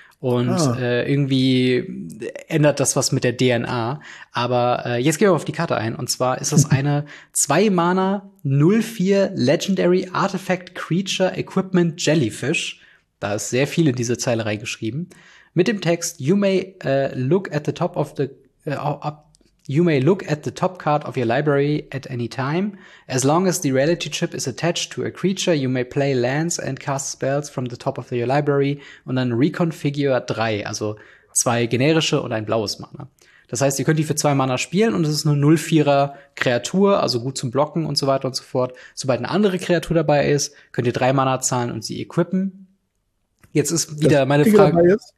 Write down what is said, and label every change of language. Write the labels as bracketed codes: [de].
[de] Und irgendwie ändert das was mit der DNA. Aber jetzt gehen wir auf die Karte ein. Und zwar ist das eine 2-Mana-04 Legendary Artifact Creature Equipment Jellyfish. Da ist sehr viel in diese Zeile reingeschrieben. Mit dem Text: [en] You may look at the top of the you may look at the top card of your library at any time. As long as the reality chip is attached to a creature, you may play lands and cast spells from the top of your library. [de] Und dann reconfigure 3, also zwei generische und ein blaues Mana. Das heißt, ihr könnt die für 2 Mana spielen und es ist eine 0-4er Kreatur, also gut zum Blocken und so weiter und so fort. Sobald eine andere Kreatur dabei ist, könnt ihr 3 Mana zahlen und sie equippen. Jetzt ist wieder meine Frage.